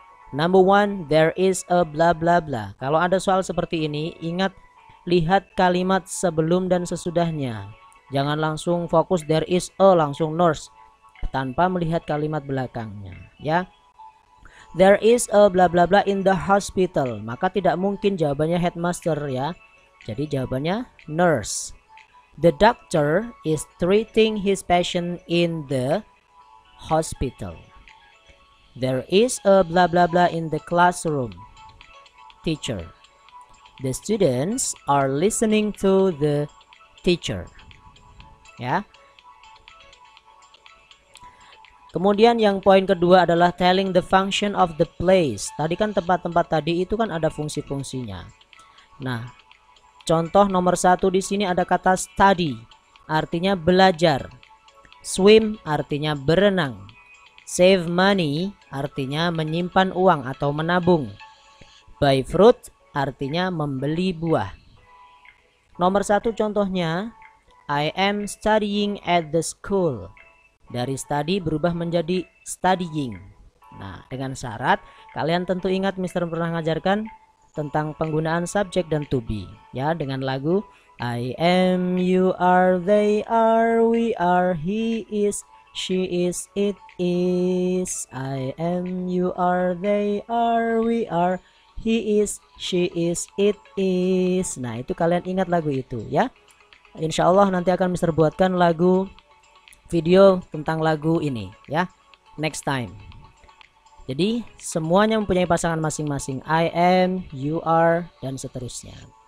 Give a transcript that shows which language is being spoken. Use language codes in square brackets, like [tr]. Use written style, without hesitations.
[en] Number one, there is a blah blah blah. [id] Kalau ada soal seperti ini, ingat lihat kalimat sebelum dan sesudahnya. Jangan langsung fokus [en] there is a [id] langsung nurse tanpa melihat kalimat belakangnya, ya. [en] There is a blah blah blah in the hospital. [id] Maka tidak mungkin jawabannya headmaster, ya. Jadi jawabannya nurse. [en] The doctor is treating his patient in the hospital. There is a blah blah blah in the classroom. Teacher. The students are listening to the teacher. Ya. [id] Kemudian yang poin kedua adalah [en] telling the function of the place. [id] Tadi kan tempat-tempat tadi itu kan ada fungsi-fungsinya. Nah, contoh nomor satu di sini ada kata study, artinya belajar. Swim artinya berenang. [en] Save money [id] artinya menyimpan uang atau menabung. [en] Buy fruit [id] artinya membeli buah. Nomor satu contohnya, [en] I am studying at the school. [id] Dari study berubah menjadi studying. Nah, dengan syarat, kalian tentu ingat Mister pernah ngajarkan tentang penggunaan subjek dan to be, ya, dengan lagu [en] I am, you are, they are, we are, he is, she is, it is. I am, you are, they are, we are, he is, she is, it is. [id] Nah, itu kalian ingat lagu itu, ya. Insya Allah nanti akan Mister buatkan lagu video tentang lagu ini, ya. [en] Next time. [id] Jadi semuanya mempunyai pasangan masing-masing. [en] I am, you are, [id] dan seterusnya.